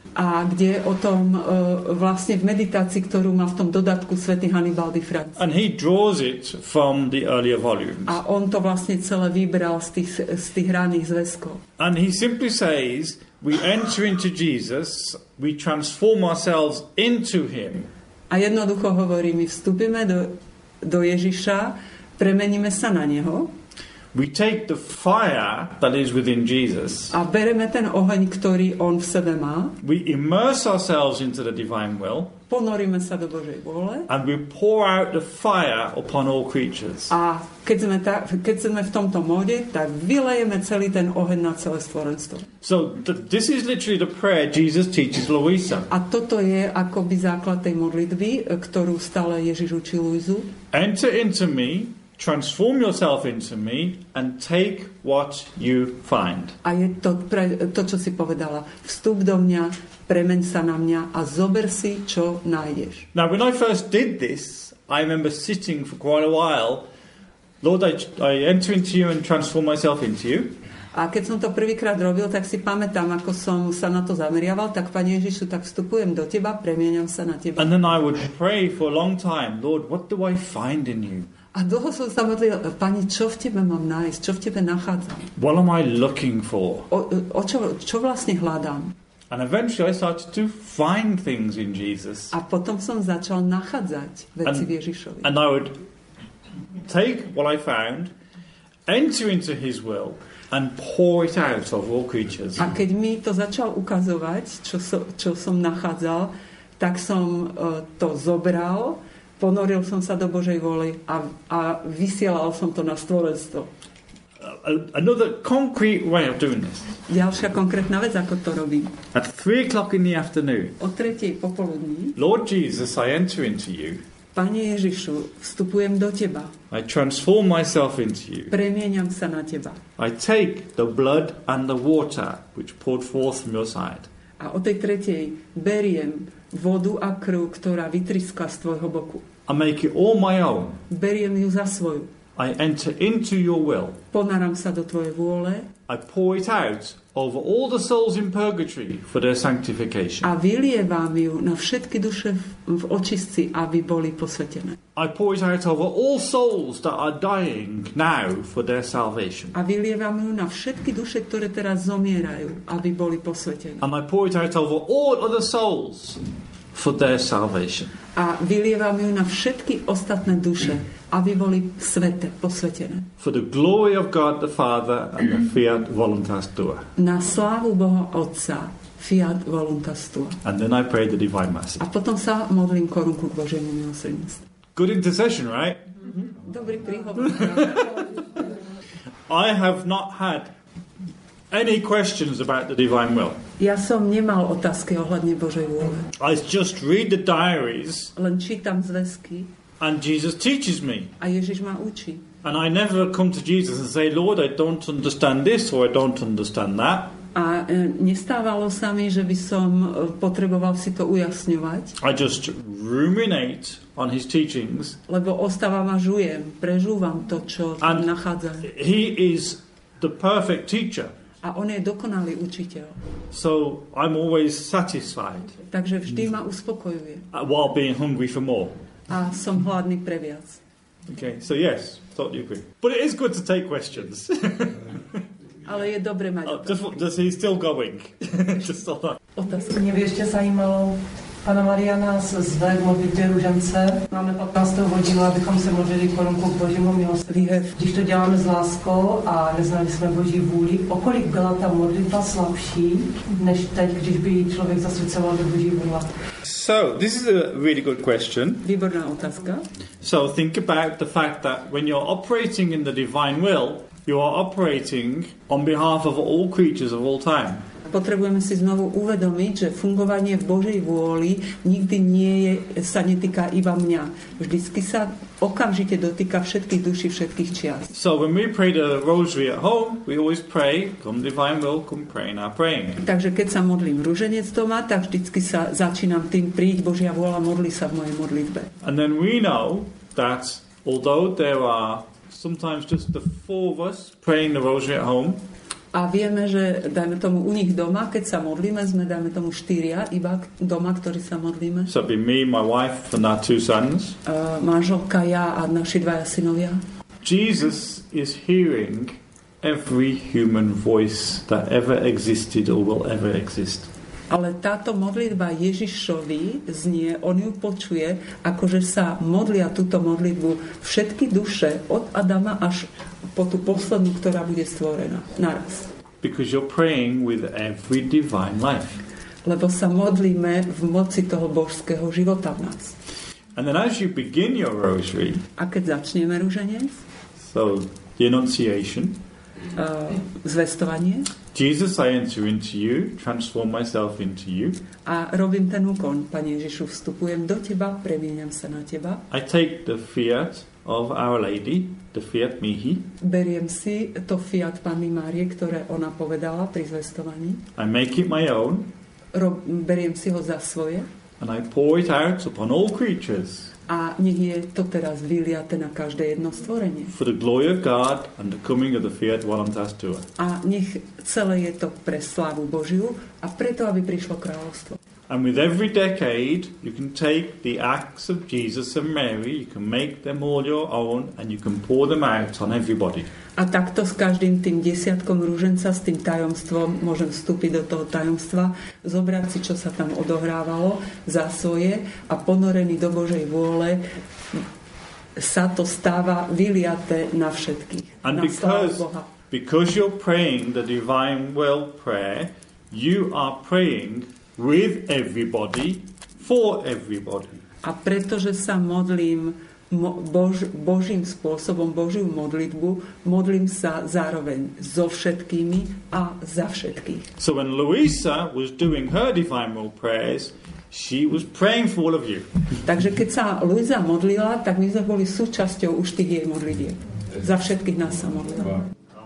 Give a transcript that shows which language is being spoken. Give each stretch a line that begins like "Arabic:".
Slovak: A kde o tom vlastne v meditácii, ktorú má v tom dodatku svätý Hannibal de Francia.
English: And he draws it from the earlier volumes.
Slovak: A on to vlastne celé vybral z tých raných zväzkov.
English: And he simply says, we enter into Jesus, we transform ourselves into him.
Slovak: A jednoducho hovorí, my vstúpime do Ježiša, premeníme sa na neho.
English: We take the fire that is within Jesus.
Slovak: A bereme ten oheň, ktorý on v sebe má.
English: We immerse ourselves into the divine will.
Slovak: ponoríme sa do Božej vôle.
English: And we pour out the fire upon all creatures.
Slovak: A keď sme v tomto móde, tak vylejeme celý ten oheň na celé stvorenstvo.
English: So this is literally the prayer Jesus teaches Luisa.
Slovak: A toto je akoby základ tej modlitby, ktorú stále Ježiš učí Luizu.
English: Enter into me, transform yourself into me and take what you find.
Slovak: A je to, čo si povedala. Vstup do mňa, premeň sa na mňa a zober si, čo nájdeš.
English: Now, when I first did this, I remember sitting for quite a while. Lord, I enter into you and transform myself into you.
Slovak: A keď som to prvýkrát robil, tak si pamätám, ako som sa na to zameriaval, tak Pane Ježišu, tak vstupujem do teba, premieňam sa na teba.
English: And then I would pray for a long time. Lord, what do I find in you?
Slovak: A dlho som sa modlil, Pane, čo v tebe mám nájsť? Čo v tebe nachádzam?
English: What am I looking for?
Slovak: Čo vlastne hľadám?
English: And eventually I started to find things in Jesus.
Slovak: A potom som začal nachádzať veci v Ježišovi.
English: And I would take what I found, enter into his will and pour it out of all creatures.
Slovak: A keď mi to začal ukazovať, čo som nachádzal, tak som to zobral, ponoril som sa do Božej vôle a vysielal som to na stvorenstvo.
English: Another concrete way of doing this.
Slovak: Ďalšia konkrétna vec, ako to robím.
English: At 3 o'clock in the afternoon.
Slovak: O 3:00 popoludní.
English: Lord Jesus, I enter into you.
Slovak: Pane Ježišu, vstupujem do teba.
English: I transform myself into you.
Slovak: Premieniam sa na teba.
English: I take the blood and the water which poured forth from your side.
Slovak: A o tej 3:00 beriem vodu a krv, ktorá vytriskla z tvojho boku.
English: I make it all my own.
Slovak: Beriem ju za svoju.
English: I enter into your will.
Slovak: Ponáram sa do tvojej vôle.
English: I pour it out over all the souls in purgatory for their sanctification.
Slovak: A vylievam ju na všetky duše v očistci, aby boli posvetené.
English: I pour it out over all souls that are dying now for their salvation.
Slovak: A vylievam ju na všetky duše, ktoré teraz zomierajú, aby boli posvetené.
English: And I pour it out over all other souls for their salvation.
Slovak: A vylievam ju na všetky ostatné duše, aby boli sväté, posvetené.
English: For the glory of God the Father and the
Latin: fiat voluntas tua.
Slovak: Na slávu Boha Otca,
Latin: fiat voluntas tua.
English: And then I pray the divine mercy.
Slovak: A potom sa modlím korunku k Božiemu milosrdenstvu.
English: Good intercession, right?
Slovak: Dobrý príhovor.
English: I have not had any questions about the divine will.
Slovak: Ja som nemal otázky ohľadne Božej vôle.
English: I just read the diaries.
Slovak: Len čítam zväzky.
English: And Jesus teaches me.
Slovak: A Ježiš ma učí.
English: And I never come to Jesus and say, Lord, I don't understand this or I don't understand that.
Slovak: A nestávalo sa mi, že by som potreboval si to ujasňovať.
English: I just ruminate on his teachings.
Slovak: Lebo ostávam a žujem, prežúvam to, čo tam nachádzam.
English: He is the perfect teacher.
Slovak: A on je dokonalý učiteľ.
English: So I'm always satisfied.
Slovak: Takže vždy ma uspokojuje.
English: While being hungry for more.
Slovak: A som hladný pre viac.
English: Okay, so yes, thought you agree. But it is good to take questions.
Slovak: Ale je dobre mať otázky.
English: Does he still going? Just all that.
Slovak: Otázky.
Czech: Mne by ešte zajímalo, pana Mariana zve k modlitbě ružence. Máme 15. hodinu, abychom se modlili korunku k Božímu milosti. Když to děláme s láskou a neznali jsme Boží vůli, o kolik byla ta modlitba slabší, než teď, když by člověk zasvěcoval do Boží vůle?
English: So, this is a really good question.
Slovak: Výborná otázka.
English: So, think about the fact that when you're operating in the divine will, you are operating on behalf of all creatures of all time.
Slovak: Potrebujeme si znovu uvedomiť, že fungovanie v Božej vôli nikdy nie je, sa netýka iba mňa. Vždycky sa okamžite dotýka všetkých duší, všetkých čias.
English: So when we pray the rosary at home, we always pray, come divine will, come pray in our praying.
Slovak: Takže keď sa modlím ruženec doma, tak vždycky sa začínam tým, príď Božia vôľa, modli sa v mojej modlitbe.
English: And then we know that although there are sometimes just the four of us praying the rosary at home,
Slovak: a vieme, že dajme tomu u nich doma, keď sa modlíme, sme dajme tomu štyria iba doma, ktorí sa modlíme.
English: So be me, my wife and our two sons.
Slovak: Manželka, ja a naši dvaja synovia.
English: Jesus is hearing every human voice that ever existed or will ever exist.
Slovak: Ale táto modlitba Ježišovi znie, on ju počuje, akože sa modlia túto modlitbu všetky duše od Adama až po tú poslednú, ktorá bude stvorená. Naraz.
English: Because you're praying with every divine life.
Slovak: lebo sa modlíme v moci toho božského života v nás.
English: And then as you begin your rosary,
Slovak: a keď začneme rúženec,
English: so the annunciation,
Slovak: zvestovanie,
English: Jesus, I enter into you, transform myself into you.
Slovak: A robím ten úkon, Pane Ježišu, vstupujem do teba, premieniam sa na teba.
English: I take the fiat of Our Lady, the
Latin: fiat mihi.
Slovak: Beriem si to fiat Panny Márie, ktoré ona povedala pri zvestovaní.
English: I make it my own.
Slovak: Beriem si ho za svoje.
English: And I pour it out upon all creatures.
Slovak: A nech je to teraz vyliate na každé jedno stvorenie.
English: For the glory of God and the coming of the
Latin: fiat voluntas tua.
Slovak: A nech celé je to pre slávu Božiu a preto, aby prišlo kráľovstvo.
English: And with every decade, you can take the acts of Jesus and Mary, you can make them all your own, and you can pour them out on everybody.
Slovak: A takto s každým tým desiatkom rúženca, s tým tajomstvom, môžem vstúpiť do toho tajomstva, zobrať si, čo sa tam odohrávalo za svoje a ponorený do Božej vôle, sa to stáva vyliate na všetkých.
English: And na because you're praying the divine will prayer, you are praying with everybody, for everybody.
Slovak: A pretože sa modlím Božím spôsobom, Božiu modlitbu, modlím sa zároveň so všetkými a za všetkých.
English: So when Luisa was doing her divine will prayers, she was praying for all of you.
Slovak: Takže keď sa Luisa modlila, tak my sme boli súčasťou už tých jej modlitieb. Za všetkých nás sa modlila.